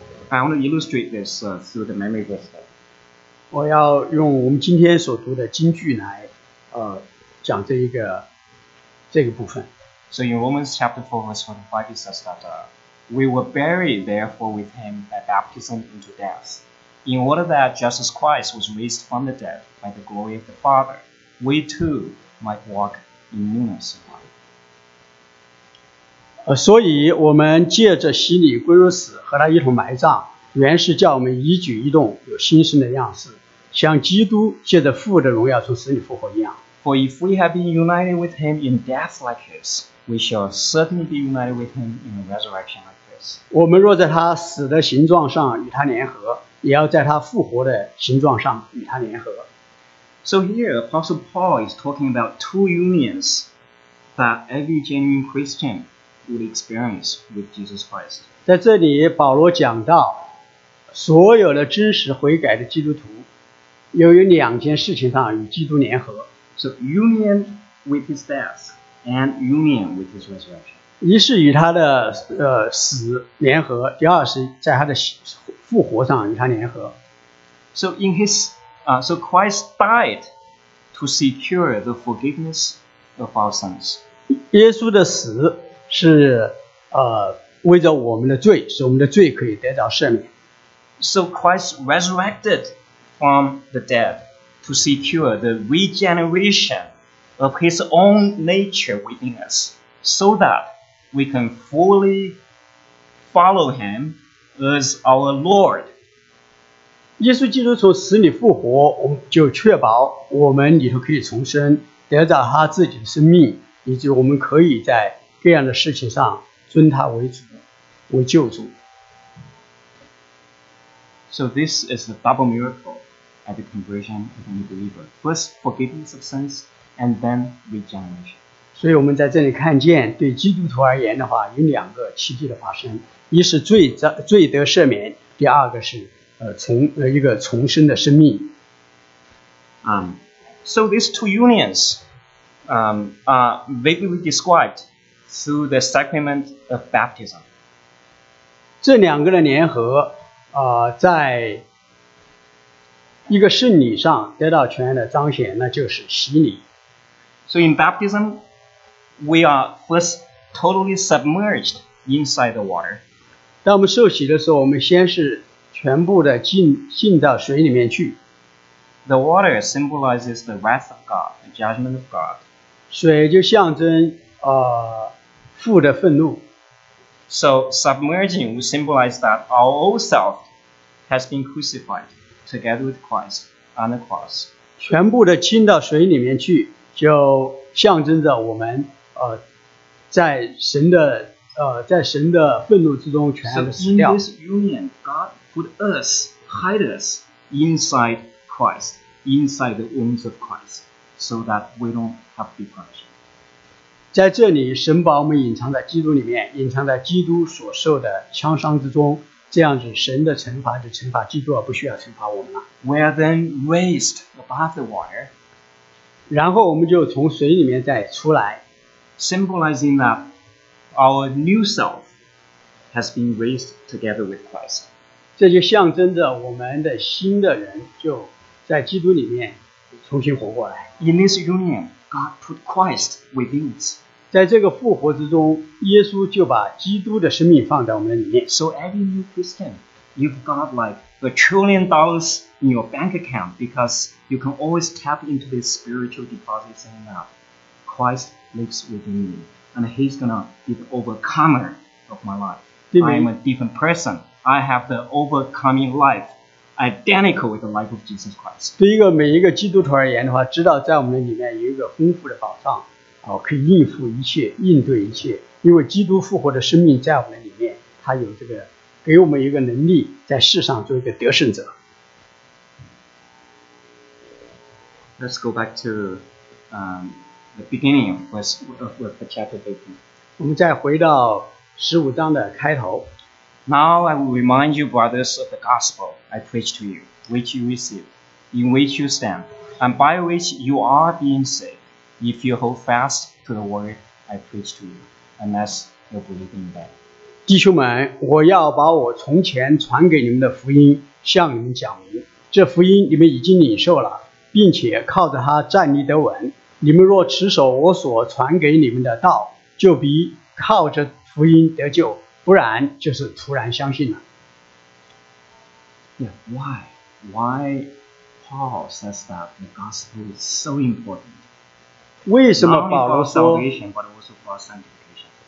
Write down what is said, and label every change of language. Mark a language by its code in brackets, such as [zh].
[en] I want to illustrate this through the memory verse. [zh] 我要用我们今天所读的经句来讲这一个部分。 [en] So in Romans chapter 4, verse 25, it says that we were buried therefore with him by baptism into death, in order that just as Christ was raised from the dead by the glory of the Father, we too might walk in newness of life. [zh] 所以我们借着洗礼归入死，和他一同埋葬，原是叫我们一举一动有新生的样式，像基督借着父的荣耀从死里复活一样。 [en] For if we have been united with him in death like his, we shall certainly be united with him in the resurrection like this. [zh] 我们若在他死的形状上与他联合，也要在他复活的形状上与他联合。 [en] So here, Apostle Paul is talking about two unions that every genuine Christian would experience with Jesus Christ. [zh] 在这里，保罗讲到，所有的真实悔改的基督徒，由于两件事情上与基督联合。 [en] So union with his death and union with his resurrection. [zh] 一是与他的死联合，第二是在他的复活上与他联合。 [en] So in his so Christ died to secure the forgiveness of our sins. [zh] 耶稣的死是为着我们的罪，使我们的罪可以得到赦免。 [en] So Christ resurrected from the dead. To secure the regeneration of his own nature within us, so that we can fully follow him as our Lord. [zh] 耶稣基督从死里复活，我们就确保我们里头可以重生，得到他自己的生命，以及我们可以在各样的事情上尊他为主，为救主。 [en] So this is a double miracle. At the conversion of a new believer. First, forgiveness of sins, and then regeneration. [zh] 所以我们在这里看见，对基督徒而言的话，有两个奇迹的发生。一是罪得赦免，第二个是一个重生的生命。 [en] So these two unions are vividly described through the sacrament of baptism. [zh] 这两个的联合在一个圣礼上得到全然的彰显，那就是洗礼。 [en] So in baptism, we are first totally submerged inside the water. [zh] 当我们受洗的时候，我们先是全部的浸到水里面去。 [en] The water symbolizes the wrath of God, the judgment of God. [zh] 水就象征父的愤怒。 [en] So submerging would symbolize that our old self has been crucified. Together with Christ on the cross. [zh] 全部的浸到水里面去，就象征着我们在神的愤怒之中全部死掉。 [en] So in this union, God put us, hide us inside Christ, inside the wounds of Christ, so that we don't have to be punished. [zh] 在这里，神把我们隐藏在基督里面，隐藏在基督所受的枪伤之中。这样子，神的惩罚就惩罚基督，而不需要惩罚我们了。 [en] We are then raised above the water. [zh] 然后我们就从水里面再出来 [en] ，symbolizing that our new self has been raised together with Christ. [zh] 这就象征着我们的新的人就在基督里面重新活过来。 [en] In this union, God put Christ within us. [zh] 在这个复活之中，耶稣就把基督的生命放在我们的里面。 [en] So every new Christian, you've got like $1 trillion in your bank account because you can always tap into this spiritual deposit saying that Christ lives within me and he's gonna be the overcomer of my life. I am a different person. I have the overcoming life identical with the life of Jesus Christ. [zh] 对一个每一个基督徒而言的话，知道在我们的里面有一个丰富的宝藏。可以应付一切，应对一切，因为基督复活的生命在我们里面，他有这个给我们一个能力，在世上做一个得胜者。 [en] Let's go back to the beginning of chapter 15. [zh] 我们再回到十五章的开头。 [en] Now I will remind you, brothers, of the gospel I preached to you, which you received, in which you stand, and by which you are being saved. If you hold fast to the word I preach to you, unless you believe in that. [zh] 弟兄们，我要把我从前传给你们的福音向你们讲明。这福音你们已经领受了，并且靠着它站立得稳。你们若持守我所传给你们的道，就必靠着福音得救，不然就是突然相信了。 [en] Yeah, why Paul says that the gospel is so important? [zh] 为什么保罗说 [en] not only for salvation, but also for sanctification?